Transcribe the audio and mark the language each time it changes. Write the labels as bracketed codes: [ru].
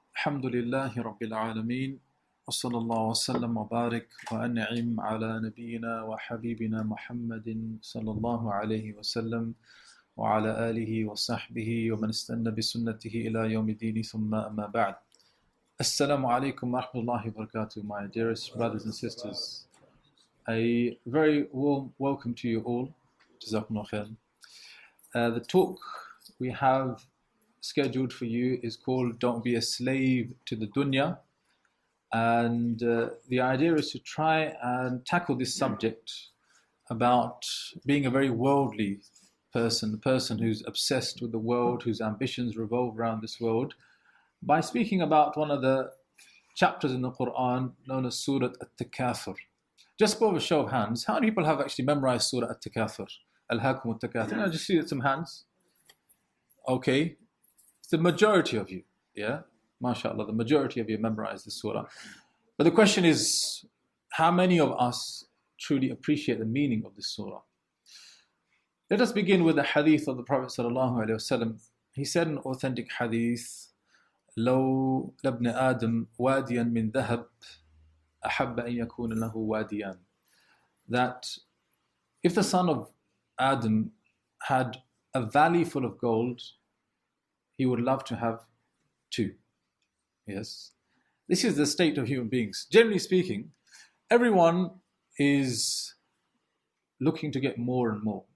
[ar] الحمد لله رب العالمين وصلى الله وسلم وبارك وأنعم على نبينا وحبيبنا محمد صلى الله عليه وسلم وعلى آله وصحبه ومن استنى بسنته إلى يوم الدين ثم أما بعد. السلام عليكم ورحمة الله وبركاته. [en] My dearest brothers and sisters, a very warm welcome to you all. [ar] جزاكم الله خير. [en] The talk we have scheduled for you is called Don't Be a Slave to the Dunya. And the idea is to try and tackle this subject about being a very worldly person, the person who's obsessed with the world, whose ambitions revolve around this world, by speaking about one of the chapters in the Quran known as Surah At-Takathur. Just by a show of hands, how many people have actually memorized Surah At-Takathur? Al-Hakum At-Takathur. I just see some hands. Okay. It's the majority of you, yeah? MashaAllah, the majority of you memorize this surah. But the question is, how many of us truly appreciate the meaning of this surah? Let us begin with the hadith of the Prophet sallallahu alaihi wasallam. He said an authentic hadith, [ar] لَوْ لَبْنَ آدَمْ وَادِيًا مِنْ ذَهَبْ أَحَبَّ أَنْ يَكُونَ لَهُ وَادِيًا. [en] That if the son of Adam had a valley full of gold, he would love to have two. Yes, this is the state of human beings. Generally speaking, everyone is looking to get more and more.